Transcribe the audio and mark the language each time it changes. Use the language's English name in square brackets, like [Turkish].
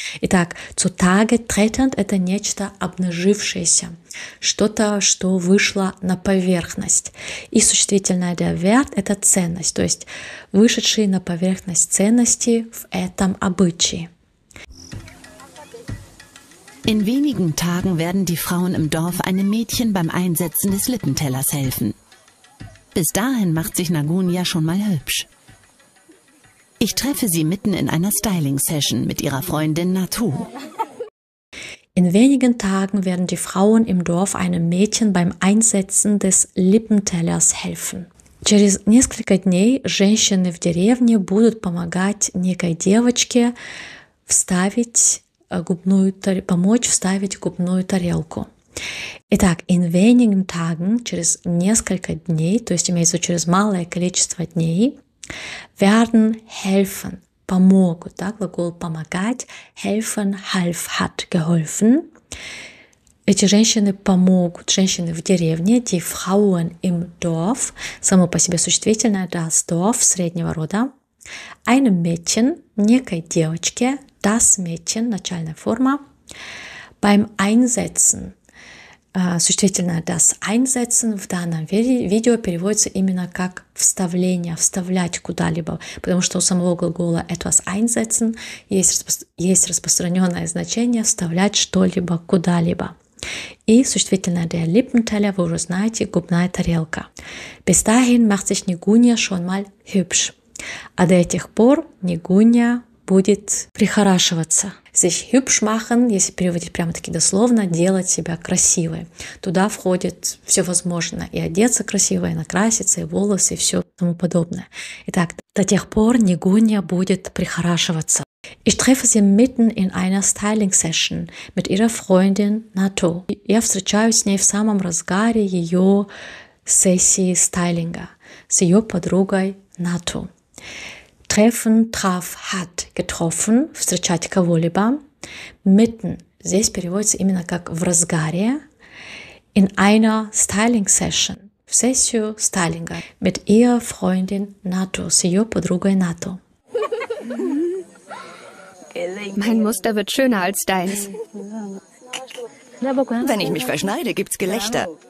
[Russian] Итак, [German] zu Tage treten [Russian] – это нечто обнажившееся, что-то, что вышло на поверхность. И существительное [German] der Wert [Russian] – это ценность, то есть вышедшие на поверхность ценности в этом обычае. [German] In wenigen Tagen werden die Frauen im Dorf einem Mädchen beim Einsetzen des Lippentellers helfen. Bis dahin macht sich Nagunia schon mal hübsch. Ich treffe sie mitten in einer Styling-Session mit ihrer Freundin Natu. In wenigen Tagen werden die Frauen im Dorf einem Mädchen beim Einsetzen des Lippentellers helfen. [Russian] Через несколько дней женщины в деревне будут помогать некой девочке вставить губную, помочь вставить губную тарелку. Итак, [German] in wenigen Tagen, [Russian] через несколько дней, то есть имеется через малое количество дней, [German] werden helfen, [Russian] помогут, да, глагол помогать, [German] helfen, half, hat, geholfen. [Russian] Эти женщины помогут, женщины в деревне, [German] die Frauen im Dorf, [Russian] само по себе существительное, [German] das Dorf, [Russian] среднего рода, [German] einem Mädchen, [Russian] некой девочке, [German] das Mädchen, [Russian] начальная форма, [German] beim Einsetzen, [Russian] существительное [German] das Einsetzen [Russian] в данном видео переводится именно как вставление, вставлять куда-либо, потому что у самого глагола [German] etwas Einsetzen [Russian] есть распространенное значение вставлять что-либо куда-либо. И существительное [German] der Lippenteller, [Russian] вы уже знаете, губная тарелка. [German] Bis dahin macht sich Nagunia schon mal hübsch. [Russian] А до этих пор Нагуня будет прихорашиваться. [German] Sich hübsch machen, [Russian] если переводить прямо-таки дословно, делать себя красивой. Туда входит все возможное. И одеться красиво, и накраситься, и волосы, и все тому подобное. Итак, до тех пор Нагуня будет прихорашиваться. [German] Ich treffe sie mitten in einer Styling-Session mit ihrer Freundin Natu. [Russian] Я встречаюсь с ней в самом разгаре ее сессии стайлинга с ее подругой Natu. [German] Treffen, traf, hat, getroffen, [Russian] встречать кого-либо. [German] Mitten, [Russian] здесь переводится именно как в разгаре. [German] In einer styling session, [Russian] в сессию стайлинга. [German] Mit ihr Freundin Natu, [Russian] с ее подругой [German] Natu. Mein Muster wird schöner als deins. Wenn ich mich verschneide, gibt's Gelächter.